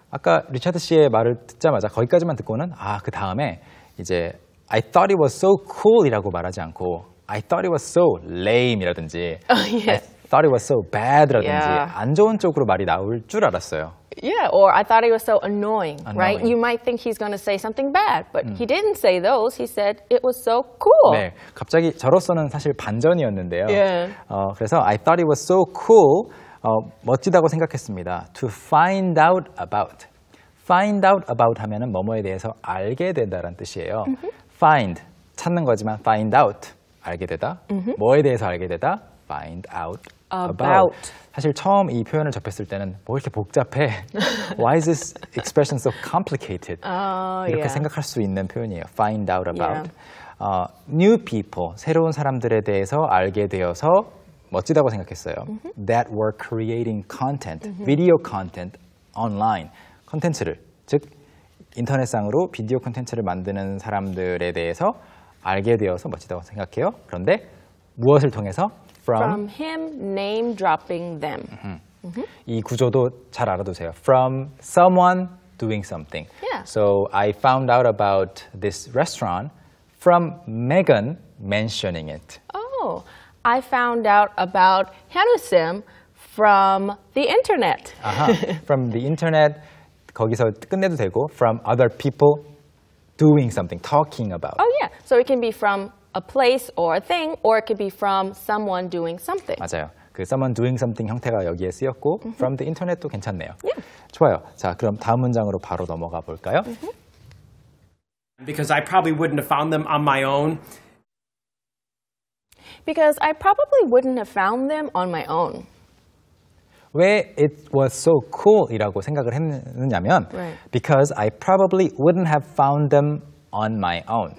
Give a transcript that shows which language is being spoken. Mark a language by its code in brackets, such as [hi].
[ko] 아까 리차드 씨의 말을 듣자마자 거기까지만 듣고는 아 그 다음에 이제 [en] I thought it was so cool [ko] 이라고 말하지 않고 [en] I thought it was so lame [ko] 이라든지 [en] oh, yes. I thought it was so bad라든지 yeah. [ko] 안 좋은 쪽으로 말이 나올 줄 알았어요. [en] Yeah, or I thought it was so annoying, right? You might think he's going to say something bad, but he didn't say those. He said it was so cool. [ko] 네, 갑자기 저로서는 사실 반전이었는데요. [en] Yeah. 그래서 I thought it was so cool. [ko] 멋지다고 생각했습니다. [en] To find out about. Find out about [ko] 하면은 뭐뭐에 대해서 알게 된다라는 뜻이에요. Mm-hmm. Find, 찾는 거지만 find out, 알게 되다. Mm-hmm. 뭐에 대해서 알게 되다? Find out. [en] About. [ko] 사실 처음 이 표현을 접했을 때는 뭐 이렇게 복잡해? [en] Why is this expression so complicated? 이렇게 yeah. [ko] 생각할 수 있는 표현이에요. [en] Find out about. Yeah. New people, [ko] 새로운 사람들에 대해서 알게 되어서 멋지다고 생각했어요. Mm-hmm. [en] That were creating content, mm-hmm. video content online. [ko] 콘텐츠를, 즉 인터넷상으로 비디오 콘텐츠를 만드는 사람들에 대해서 알게 되어서 멋지다고 생각해요. 그런데 무엇을 통해서? [en] From him name dropping them. Mm-hmm. Mm-hmm. [ko] 이 구조도 잘 알아두세요. [en] From someone doing something. Yeah. So I found out about this restaurant from Megan mentioning it. Oh, I found out about Hanusim from the internet. Uh-huh. From the internet, [ko] 거기서 끝내도 되고 [en] from other people doing something, talking about. Oh yeah, so it can be from a place or a thing, or it could be from someone doing something. [ko] 맞아요. 그 [en] someone doing something [ko] 형태가 여기에 쓰였고 mm-hmm. [en] from the internet [ko] 도 괜찮네요. [en] Yeah. [ko] 좋아요. 자, 그럼 다음 문장으로 바로 넘어가 볼까요? Mm-hmm. [en] Because I probably wouldn't have found them on my own. Because I probably wouldn't have found them on my own. [ko] 왜 it was so cool이라고 생각을 했느냐면 [en] right. because I probably wouldn't have found them on my own.